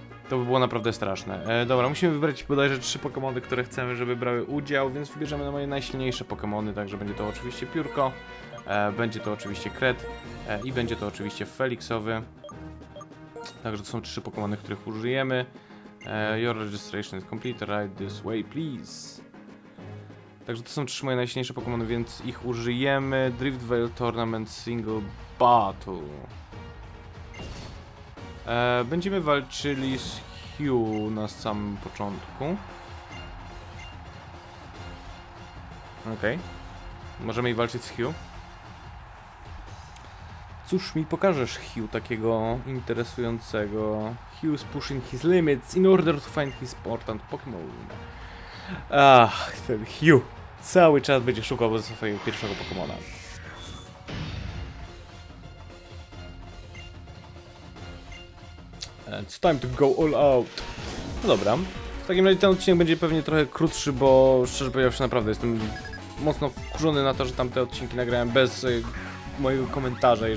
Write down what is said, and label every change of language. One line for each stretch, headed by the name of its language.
Polish: To by było naprawdę straszne. Dobra, musimy wybrać bodajże 3 Pokemony, które chcemy, żeby brały udział, więc wybierzemy na moje najsilniejsze Pokemony, także będzie to oczywiście Piórko, będzie to oczywiście Kret i będzie to oczywiście Felixowy. Także to są 3 Pokemony, których użyjemy.
English: Your registration is complete, ride this way, please.
Polish: Także to są 3 moje najsilniejsze Pokemony, więc ich użyjemy. Drift Veil Tournament Single Battle. Będziemy walczyli z Hugh na samym początku. Okej. Okay. Możemy i walczyć z Hugh. Cóż mi pokażesz, Hugh, takiego interesującego?
English: Hugh's pushing his limits in order to find his important Pokémon.
Polish: Ach, ten Hugh. Cały czas będzie szukał swojego pierwszego Pokémona.
English: It's time to go all out.
Polish: No dobra. W takim razie ten odcinek będzie pewnie trochę krótszy, bo szczerze powiedziawszy, naprawdę jestem mocno wkurzony na to, że tamte odcinki nagrałem bez mojego komentarza.